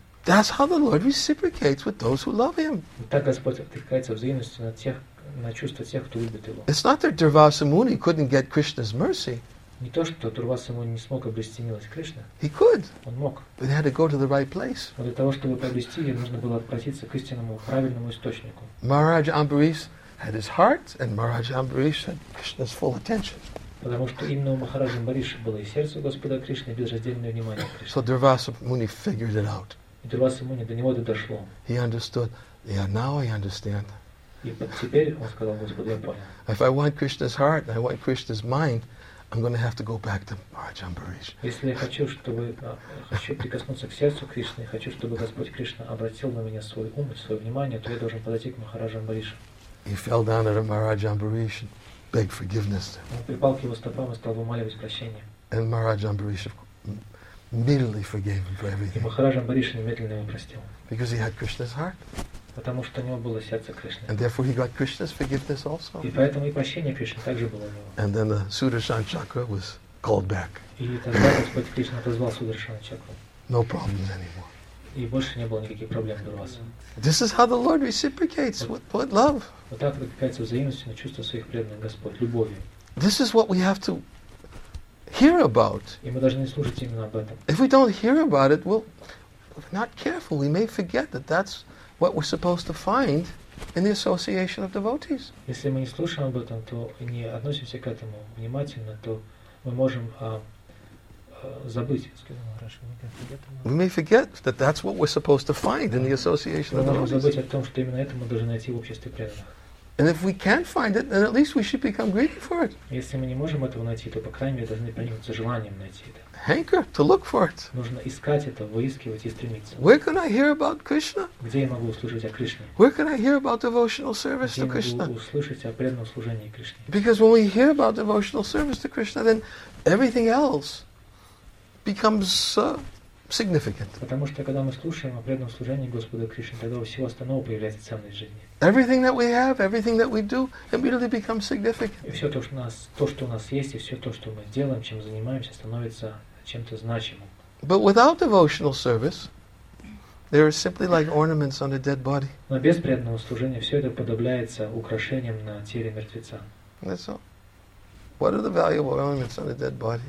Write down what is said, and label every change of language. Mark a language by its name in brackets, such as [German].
[English] That's how the Lord reciprocates with those who love him. It's not that Durvasa Muni couldn't get Krishna's mercy. [Russian] Не то, что Дурвасы Муни не смог обрести милость Кришны. [English] He could. [Russian] Он мог. [English] But he had to go to the right place. [Russian] Но для того, чтобы приобрести ее, нужно было обратиться к истинному, правильному источнику. [English] Maharaj Ambarish had his heart, and Maharaj Ambarish had Krishna's full attention. [Russian] Потому что именно у Махараджа Амбариша было и сердце Господа Кришны, и безраздельное внимание Кришны. [English] So Durvasa Muni figured it out. [Russian] И Дурвасы Муни до него дошло. [English] He understood. Yeah, now I understand. [Russian] И теперь он сказал: Господи, я понял. [English] If I want Krishna's heart, I want Krishna's mind, I'm going to have to go back to Maharaj Ambarish. [Russian] Если я хочу, чтобы хочу прикоснуться к сердцу Кришны, хочу, чтобы Господь Кришна обратил на меня свой ум, свое внимание, то я должен подойти к Махараджу Амбаришу. [English] He fell down at Maharaj Ambarish and begged forgiveness. [Russian] Он припал к его стопам и стал умолять прощения. [English] And Maharaj Ambarish immediately forgave him for everything. [Russian] И Махарадж Амбариш немедленно его простил. [English] Because he had Krishna's heart. [Russian] Потому что у него было сердце Кришны. [English] And therefore he got Krishna's forgiveness also. [Russian] И поэтому и прощение Кришны также было у него. [English] And then the Sudarshan chakra was called back. [Russian] И тогда Господь Кришна отозвал Сударшан чакру. [English] No problems anymore. [Russian] И больше не было никаких проблем для вас. [English] This is how the Lord reciprocates with love. [Russian] Вот так откликается взаимностью на чувство своих преданных Господь, любовью. [English] This is what we have to hear about. [Russian] И мы должны слушать именно об этом. [English] If we don't hear about it, well, if not careful, we may forget that that's what we're supposed to find in the association of devotees. [Russian] Если мы не слушаем об этом, то не относимся к этому внимательно, то мы можем забыть, скажем, хорошо, мы как-то [English] We may forget that that's what we're supposed to find in the association of devotees. [Russian] Мы можем забыть о том, что именно это мы должны найти в обществе преданных. [English] And if we can't find it, then at least we should become greedy for it. [Russian] Если мы не можем этого найти, то по крайней мере должны проникнуться желанием найти это. [English] Hanker to look for it. [Russian] Нужно искать это, выискивать и стремиться. [English] Where can I hear about Krishna? [Russian] Где я могу услышать о Кришне? [English] Where can I hear about devotional service to Krishna? [Russian] Где я могу услышать о преданном служении Кришне? [English] Because when we hear about devotional service to Krishna, then everything else becomes significant. [Russian] Потому что когда мы слушаем о преданном служении Господа Кришны, тогда у всего остального появляется ценность жизни. [English] Everything that we have, everything that we do, immediately becomes significant. [Russian] И все то, что у нас есть, и все то, что мы делаем, чем занимаемся, становится чем-то значимым. [English] But without devotional service, they are simply like ornaments on a dead body. [Russian] Но без преданного служения все это подобляется украшением на теле мертвеца. [English] That's all. What are the value of ornaments on a dead body?